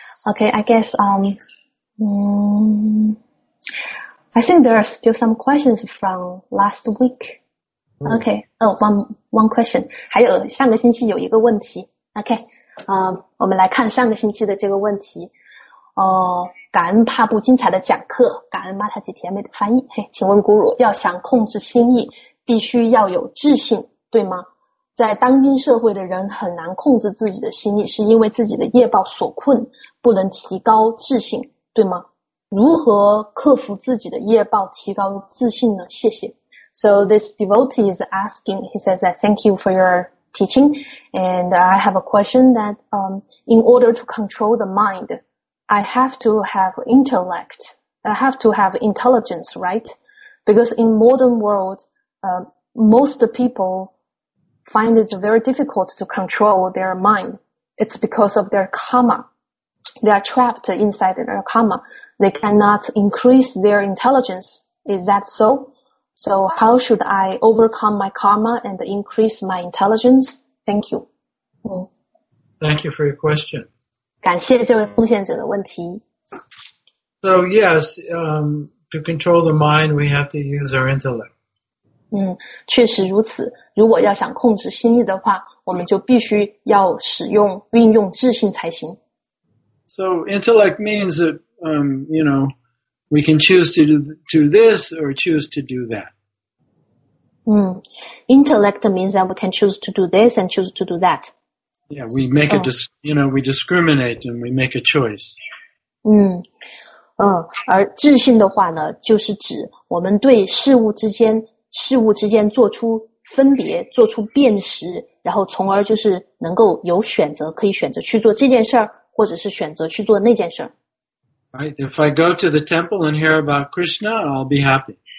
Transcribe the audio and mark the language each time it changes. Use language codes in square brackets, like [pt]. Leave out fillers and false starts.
[en] OK, I guess, I think there are still some questions from last week. OK, one question. [zh] 还有上个星期有一个问题。OK, 我们来看上个星期的这个问题。感恩帕布精彩的讲课，感恩玛塔吉甜美的翻译。嘿，请问 Guru, 要想控制心意必须要有智性，对吗？在当今社会的人很难控制自己的心意，是因为自己的业报所困，不能提高智性，对吗？如何克服自己的业报，提高自信呢？谢谢。 [en] So this devotee is asking, he says that thank you for your teaching, and I have a question that, in order to control the mind, I have to have intellect. I have to have intelligence, right? Because in modern world, most people find it very difficult to control their mind. It's because of their karma. They are trapped inside their karma. They cannot increase their intelligence. Is that so? So how should I overcome my karma and increase my intelligence? Thank you. Thank you for your question. [zh] 感谢这位奉献者的问题。 [en] So yes, to control the mind, we have to use our intellect. [zh] 确实如此。如果要想控制心意的话，我们就必须要使用、运用智性才行。 [en] So intellect means that, you know, we can choose to do this or choose to do that. Intellect means that we can choose to do this and choose to do that. Yeah, we make a, you know, we discriminate and we make a choice. [zh] 而智性的话呢，就是指我们对事物之间做出分别，做出辨识，然后从而就是能够有选择，可以选择去做这件事儿，或者是选择去做那件事儿。 [en] Right, if I go to the temple and hear about Krishna, I'll be happy.